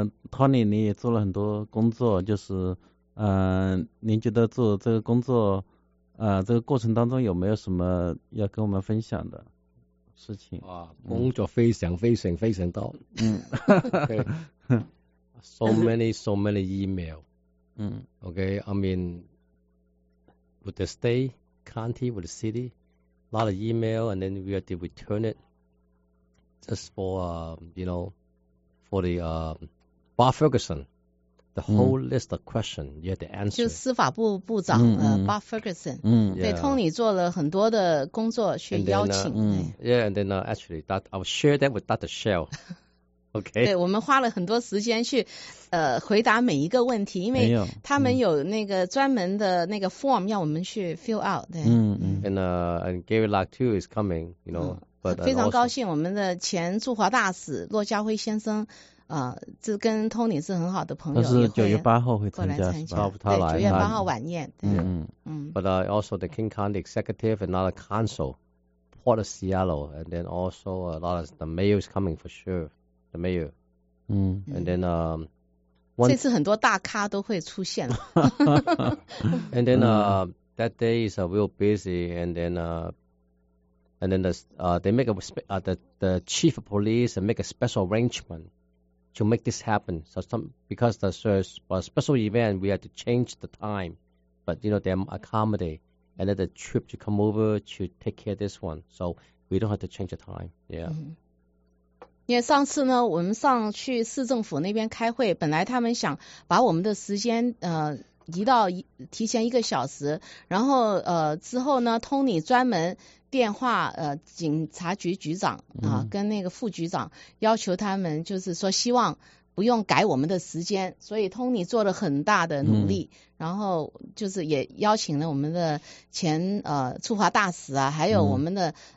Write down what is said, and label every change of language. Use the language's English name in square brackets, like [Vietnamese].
[Chinese] Tony， 你也做了很多工作，就是您觉得做这个工作这个过程当中有没有什么要跟我们分享的事情？啊，工作非常非常非常多。 [English] So many, so many email. Okay, I mean, with the state, county, with the city, a lot of email, and then we have to return it just for, you know, for the Bob Ferguson, the whole list of questions you have to answer. [Chinese] 就司法部部长Bob Ferguson. 对 Tony 做了很多的工作去邀请。 [English] Yeah, and then actually, that, I'll share that with Dr. Shell. Okay. [Chinese] 对，我们花了很多时间去回答每一个问题，因为他们有那个专门的那个 form 要我们去 fill out. 对。 [English] And Gary Lock too is coming, you know. But [Chinese] 非常高兴，我们的前驻华大使骆家辉先生这跟 Tony 是很好的朋友。他是九月八号会参加，他来九月八号晚宴。 [English] But also the King County Executive and another council, Port of Seattle, and then also a lot of the mayor is coming for sure. The mayor. And then, one, [Chinese] 这次很多大咖都会出现。 [English] And then, that day is real busy. And then, they make the chief of police make a special arrangement to make this happen. So because there's a special event, we had to change the time. But, you know, they accommodate. And then the trip to come over to take care of this one. So we don't have to change the time. Yeah. Mm-hmm. [Chinese] 因为上次呢，我们上去市政府那边开会，本来他们想把我们的时间移到提前一个小时，然后之后呢 ，Tony 专门电话警察局局长啊，跟那个副局长要求他们，就是说希望不用改我们的时间，所以 Tony 做了很大的努力，然后就是也邀请了我们的前驻华大使啊，还有我们的